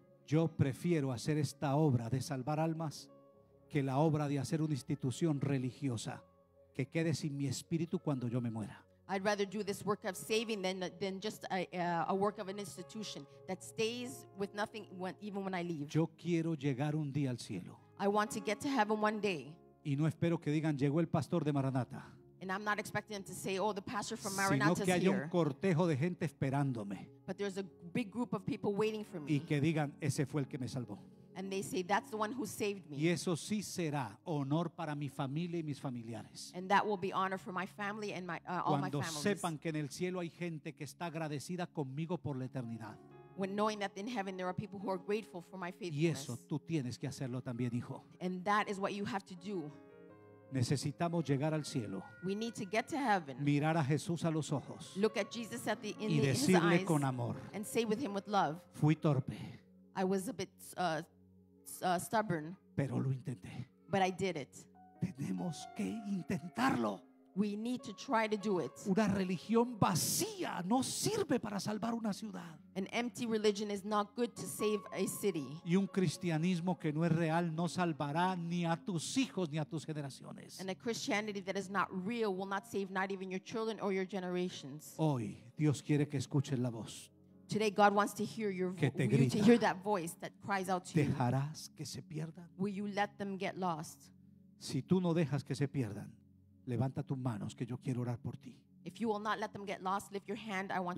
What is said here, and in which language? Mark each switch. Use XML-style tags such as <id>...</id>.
<es>Yo prefiero hacer esta obra de salvar almas que la obra de hacer una institución religiosa que quede sin mi espíritu cuando yo me muera.</es> <en>I'd rather do this work of saving than just a work of an institution that stays with nothing even when I leave.</en> <es>Yo quiero llegar un día al cielo.</es> <en>I want to get to heaven one day.</en> <es>Y no espero que digan llegó el pastor de Maranata.</es> <en>And I'm not expecting them to say, oh, the pastor from Maranatha is here.</en> <es>Sino que hay un cortejo de gente esperándome.</es> <en>But there's a big group of people waiting for me.</en> <es>Y que digan, ese fue el que me salvó.</es> <en>And they say, that's the one who saved me.</en> <es>Y eso sí será honor para mi familia y mis familiares.</es> <en>And that will be honor for my family and my all</en> <es>Cuando</es> <en>my families.</en> <es>Sepan que en el cielo hay gente que está agradecida conmigo por la eternidad.</es> <en>When knowing that in heaven there are people who are grateful for my faithfulness.</en> <es>Y eso tú tienes que hacerlo también, hijo.</es> <en>And that is what you have to do.</en> <es>Necesitamos llegar al cielo.</es> <en>We need to get to heaven.</en> <es>Mirar a Jesús a los ojos.</es> <en>Look at Jesus at the in</en> <es>y decirle</es> <en>his eyes</en> <es>con amor.</es> <en>And say with him with love.</en> <es>Fui torpe.</es> <en>I was a bit stubborn.</en> <es>Pero lo intenté.</es> <en>But I did it.</en> <es>Tenemos que intentarlo.</es> <en>We need to try to do it.</en> <es>Una religión vacía no sirve para salvar una ciudad.</es> <en>An empty religion is not good to save a city.</en> <es>Y un cristianismo que no es real no salvará ni a tus hijos ni a tus generaciones.</es> <en>And a Christianity that is not real will not save not even your children or your generations.</en> <es>Hoy Dios quiere que escuches la voz.</es> <en>Today God wants to hear your voice. You to hear that voice that cries out to you.</en> <es>¿Dejarás que se pierdan?</es> <en>Will you let them get lost?</en> <es>Si tú no dejas que se pierdan, levanta tus manos que yo quiero orar por ti.</es> <en>If you will not let them get lost, lift your hand. I want</en>